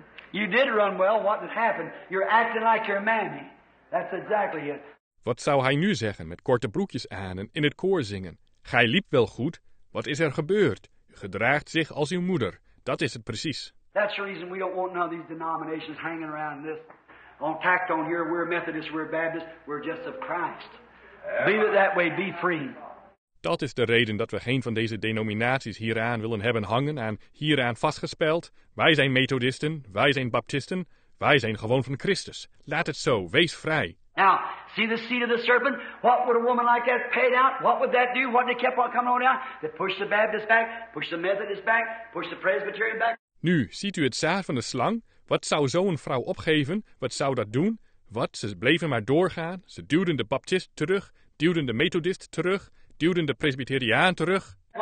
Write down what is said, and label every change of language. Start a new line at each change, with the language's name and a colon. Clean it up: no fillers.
English: You did run well, what did happen? You're acting like your mammy. That's exactly it.
Dutch: Wat zou hij nu zeggen met korte broekjes aan en in het koor zingen? Gij liep wel goed. Wat is er gebeurd? U gedraagt zich als uw moeder. Dat is het precies.
English: That's the reason we don't want none of these denominations hanging around this. On tact on here, we're Methodists, we're Baptists, we're just of Christ. Leave it that way, be free.
Dutch: Dat is de reden dat we geen van deze denominaties hieraan willen hebben hangen en hieraan vastgespeld. Wij zijn Methodisten, wij zijn Baptisten, wij zijn gewoon van Christus. Laat het zo, wees vrij.
English: Now, see the seed of the serpent? What would a woman like that paid out? What would that do? What they kept on coming on out? They pushed the Baptist back, pushed the Methodist back, pushed the Presbyterian back.
Dutch: Nu, ziet u het zaad van de slang? Wat zou zo'n vrouw opgeven? Wat zou dat doen? Wat, ze bleven maar doorgaan. Ze duwden de baptist terug, duwden de methodist terug, duwden de presbyteriaan terug.